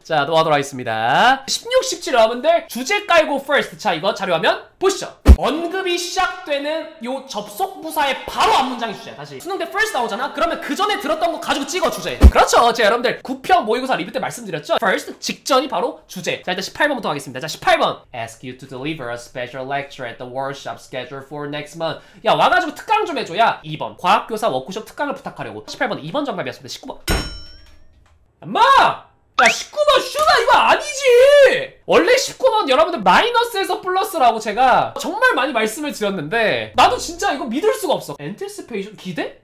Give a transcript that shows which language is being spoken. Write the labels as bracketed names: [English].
[Korean] 자 놓아도록 하겠습니다. 16, 17 여러분들 주제 깔고 first. 자 이거 자료화면 보시죠. 언급이 시작되는 요 접속부사의 바로 앞문장이 주제야. 다시 수능 때 first 나오잖아? 그러면 그 전에 들었던 거 가지고 찍어 주제. 그렇죠. 자 여러분들 9평 모의고사 리뷰 때 말씀드렸죠? first 직전이 바로 주제. 자 일단 18번부터 가겠습니다. 자 18번 [English] ask you to deliver a special lecture at the workshop scheduled for next month. [Korean] 야 와가지고 특강 좀 해줘. 야 2번 과학교사 워크숍 특강을 부탁하려고. 18번 2번 정답이었습니다. 19번 엄마! 야 19번 슈가 이거 아니지! 원래 19번 여러분들 마이너스에서 플러스라고 제가 정말 많이 말씀을 드렸는데 나도 진짜 이거 믿을 수가 없어. 엔티스페이션? 기대?